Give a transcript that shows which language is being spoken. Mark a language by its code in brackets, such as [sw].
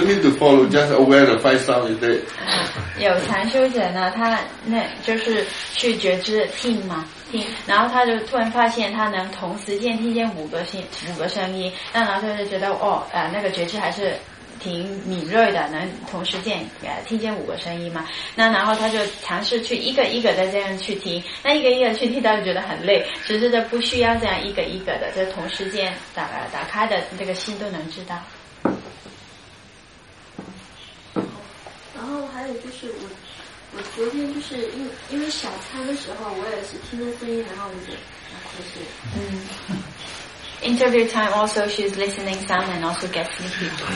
[en] don't need to follow, just aware the five sounds is there. [zh] 有禅修者呢，他那就是去觉知听嘛。然后他就突然发现他能同时间听见五个声音，那然后他就觉得那个觉知还是挺敏锐的，能同时间听见五个声音嘛。那然后他就尝试去一个一个的这样去听，那一个一个去听他就觉得很累，只是这不需要这样一个一个的，就同时间打开的这个心都能知道。然后还有就是我昨天就是因为小餐的时候，我也是听着声音，然后我就哭睡。 [en] Interview time also, she's listening sound and also gets sleepy.